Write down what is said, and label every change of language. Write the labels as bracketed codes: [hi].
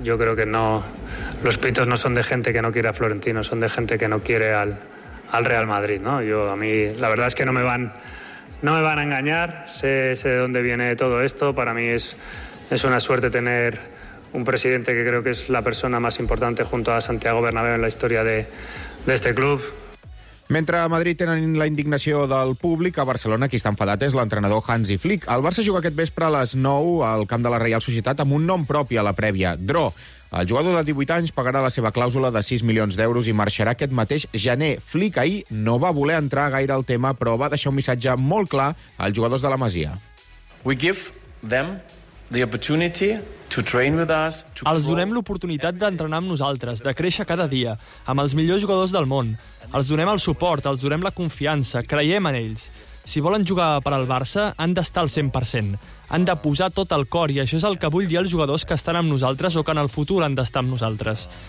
[es] Yo creo que no, los pitos no son de gente que no quiere a Florentino, son de gente que no quiere al Real Madrid, ¿no? Yo, a mí, la verdad es que no me van a engañar. Sé de dónde viene todo esto. Para mí es una suerte tener un presidente que creo que es la persona más importante junto a Santiago Bernabéu en la historia de este club. [ca] Mentre a Madrid tenen la indignació del públic, a Barcelona qui està enfadat és l'entrenador Hansi Flick. El Barça juga aquest vespre a les 9 al camp de la Reial Societat amb un nom propi a la prèvia, Dro. El jugador de 18 anys pagarà la seva clàusula de 6 milions d'euros i marxarà aquest mateix gener. Flick ahir no va voler entrar gaire al tema, però va deixar un missatge molt clar als jugadors de la Masia. [en] We give them the opportunity to train with us. [ca] Els donem l'oportunitat d'entrenar amb nosaltres, de créixer cada dia, amb els millors jugadors del món. Els donem el suport, els donem la confiança, creiem en ells. Si volen jugar per al Barça, han d'estar al 100%. Han de posar tot el cor, i això és el que vull dir als jugadors que estan amb nosaltres o que en el futur han d'estar amb nosaltres.